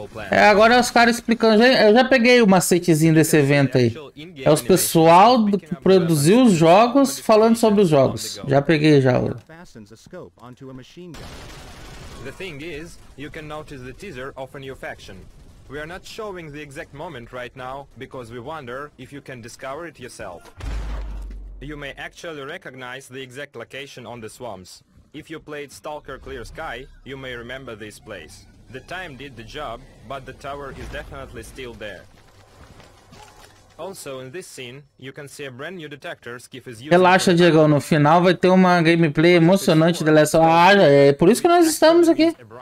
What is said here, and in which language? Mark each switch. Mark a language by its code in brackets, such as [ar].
[pt] É, agora é os caras explicando. Eu já peguei o macetezinho desse evento aí. É os pessoal do, que produziu os jogos falando sobre os jogos. Já peguei já. [en] The thing is, you can notice the teaser of a new faction. We are not showing the exact moment right now because we wonder if you can discover it yourself. You may actually recognize the exact location on the swamps. If you played Stalker Clear Sky, you may remember this place. The time did the job, but the tower is definitely still there. Also, in this scene, you can see a brand new detector Skiff is using. [pt] Relaxa, Diego, no final vai ter uma gameplay emocionante da Last of Us. Ah, é por isso que nós estamos aqui.